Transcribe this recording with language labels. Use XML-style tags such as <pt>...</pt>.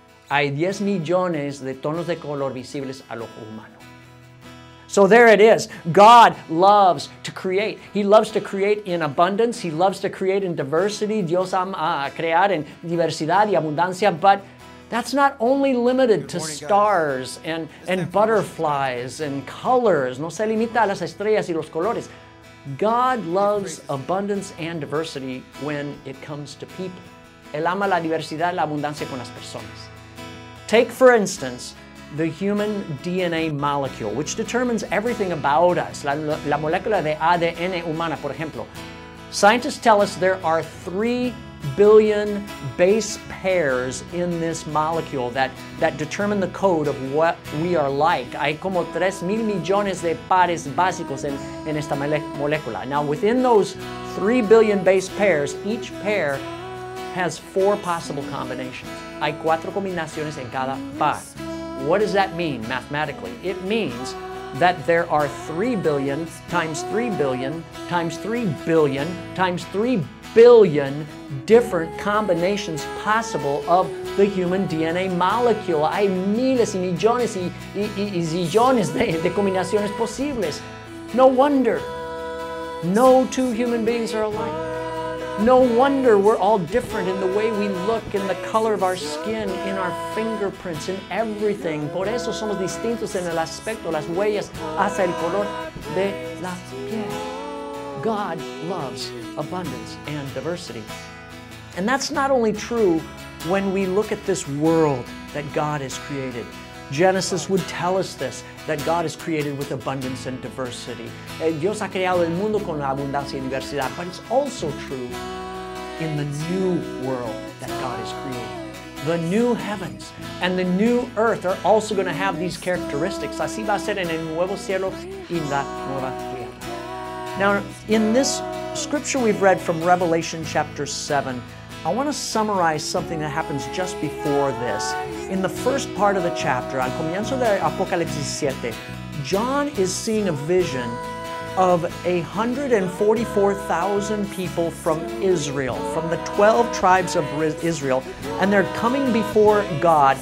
<es>Hay 10 millones de tonos de color visibles al ojo humano.</es> <en>So there it is. God loves to create. He loves to create in abundance. He loves to create in diversity.</en> <es>Dios ama crear en diversidad y abundancia.</es> <en>But that's not only limited to stars and butterflies and colors.</en> <es>No se limita a las estrellas y los colores.</es> <en>God loves abundance and diversity when it comes to people.</en> <es>Él ama la diversidad y la abundancia con las personas.</es> <en>Take, for instance, the human DNA molecule, which determines everything about us,</en> <es>la molécula de ADN humana, por ejemplo.</es> <en>Scientists tell us there are 3 billion base pairs in this molecule that determine the code of what we are like.</en> <es>Hay como 3,000,000,000 de pares básicos en esta molécula.</es> <en>Now, within those 3 billion base pairs, each pair has 4 possible combinations.</en> <es>Hay 4 combinaciones en cada par.</es> <en>What does that mean mathematically? It means that there are 3 billion times 3 billion times 3 billion times 3 billion different combinations possible of the human DNA molecule.</en> <es>Hay miles y millones y zillones de combinaciones posibles.</es> <en>No wonder. No 2 human beings are alike. No wonder we're all different in the way we look, in the color of our skin, in our fingerprints, in everything.</en> <es>Por eso somos distintos en el aspecto, las huellas, hasta el color de la piel.</es> <en>God loves abundance and diversity. And that's not only true when we look at this world that God has created. Genesis would tell us this, that God is created with abundance and diversity.</en> <es>Dios ha creado el mundo con abundancia y diversidad.</es> <en>But it's also true in the new world that God is creating. The new heavens and the new earth are also going to have these characteristics.</en> <es>Así va a ser en el nuevo cielo y la nueva tierra.</es> <en>Now, in this scripture we've read from Revelation chapter 7, I want to summarize something that happens just before this. In the first part of the chapter,</en> <es>al comienzo de Apocalipsis 7,</es> <en>John is seeing a vision of 144,000 people from Israel, from the 12 tribes of Israel, and they're coming before God.</en>